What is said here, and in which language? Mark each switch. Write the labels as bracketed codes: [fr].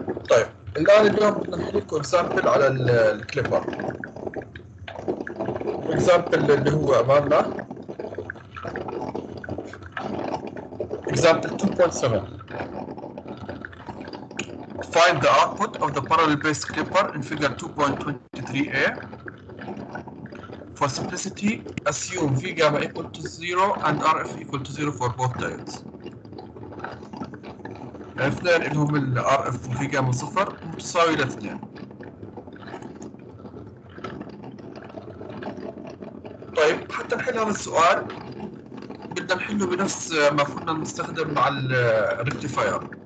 [ar] طيب الآن اليوم بدنا نحكي لكم اكزامبل على الكليبر. اكزامبل اللي هو أمامنا اكزامبل 2.7. [en] Find the output of the parallel based clipper in figure 2.23a. For simplicity, assume V gamma equal to 0 and RF equal to 0 for both diodes. [ar] الاثنين اللي هم ال RF و V gamma 0 متساوي لاثنين. طيب حتى نحل هذا السؤال بدنا نحله بنفس ما كنا نستخدم مع ال rectifier.